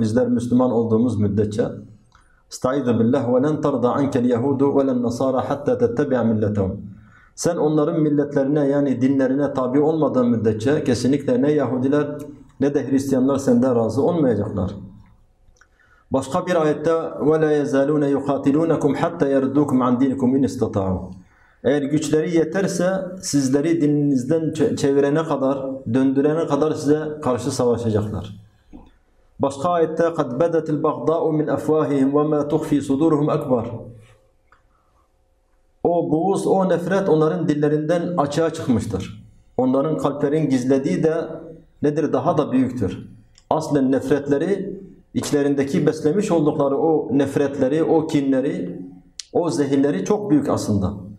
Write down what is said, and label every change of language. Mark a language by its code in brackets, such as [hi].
[tr] Bizler Müslüman olduğumuz müddetçe. [ar] اَسْتَعِذُ بِاللّٰهِ وَلَنْ تَرْضَ عَنْكَ الْيَهُودُ وَلَنْ نَصَارَ حَتَّى تَتَّبِعَ مِلَّتَهُمْ. [tr] Sen onların milletlerine yani dinlerine tabi olmadığın müddetçe kesinlikle ne Yahudiler ne de Hristiyanlar senden razı olmayacaklar. Başka bir ayette [ar] وَلَا يَزَالُونَ يُقَاتِلُونَكُمْ حَتَّى يَرْدُّكُمْ عَنْ دِينِكُمْ اِنْ اِسْتَطَعُوا. [tr] Eğer güçleri yeterse sizleri dininizden çevirene kadar, döndürene kadar size karşı savaşacaklar. Başka ayette [ar] قَدْ بَدَتِ الْبَغْضَاءُ مِنْ اَفْوَاهِهِمْ وَمَا تُخْفِي صُدُورُهُمْ اَكْبَرُ. [tr] O buğuz, o nefret onların dillerinden açığa çıkmıştır. Onların kalplerin gizlediği de nedir? Daha da büyüktür. Aslen nefretleri, içlerindeki beslemiş oldukları o nefretleri, o kinleri, o zehirleri çok büyük aslında.